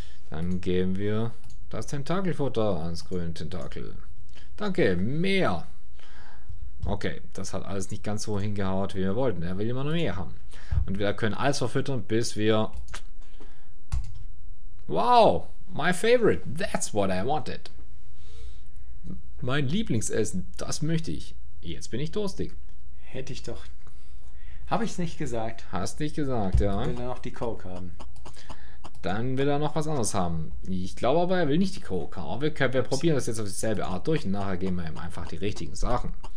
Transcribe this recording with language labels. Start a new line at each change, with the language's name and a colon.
German: Dann geben wir das Tentakelfutter ans Grüntentakel. Danke. Mehr. Okay. Das hat alles nicht ganz so hingehauen, wie wir wollten. Er will immer noch mehr haben. Und wir können alles verfüttern, bis wir. Wow.
English: My favorite, that's what I wanted.
German: Mein Lieblingsessen, das möchte ich. Jetzt bin ich durstig. Hätte ich doch. Habe ich es nicht gesagt. Hast nicht gesagt, ja. Will er noch die Coke haben. Dann will er noch was anderes haben. Ich glaube aber, er will nicht die Coke haben. Wir probieren das jetzt auf dieselbe Art durch und nachher geben wir ihm einfach die richtigen Sachen.